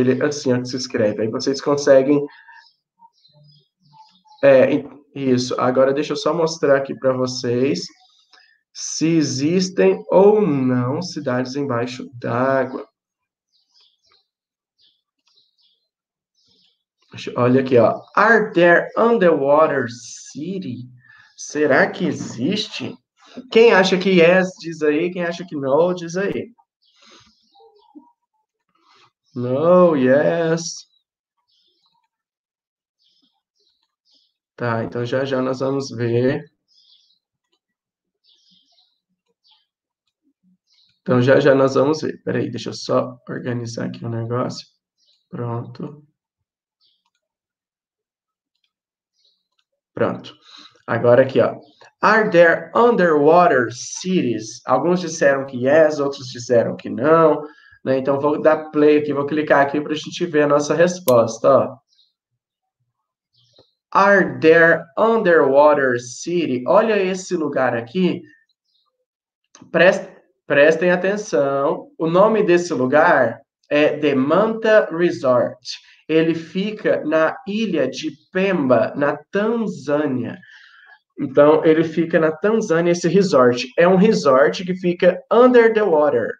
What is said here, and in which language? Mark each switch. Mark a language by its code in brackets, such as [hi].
[pt] Ele assim, ó, que se escreve. Aí vocês conseguem... isso. Agora, deixa eu só mostrar aqui para vocês... Se existem ou não cidades embaixo d'água. Olha aqui, ó. [en] Are there underwater city? [pt] Será que existe? Quem acha que yes, diz aí. Quem acha que no, diz aí. [en] No, yes. [pt] Tá, então já nós vamos ver. Então, já nós vamos ver. Espera aí, deixa eu só organizar aqui o negócio. Pronto. Pronto. Agora aqui, ó. [en] Are there underwater cities? [pt] Alguns disseram que yes, outros disseram que não. Né? Então, vou dar play aqui, vou clicar aqui para a gente ver a nossa resposta. Ó. [en] Are there underwater cities? [pt] Olha esse lugar aqui. Prestem atenção, o nome desse lugar é The Manta Resort. Ele fica na ilha de Pemba, na Tanzânia. Então, ele fica na Tanzânia, esse resort. É um resort que fica under the water.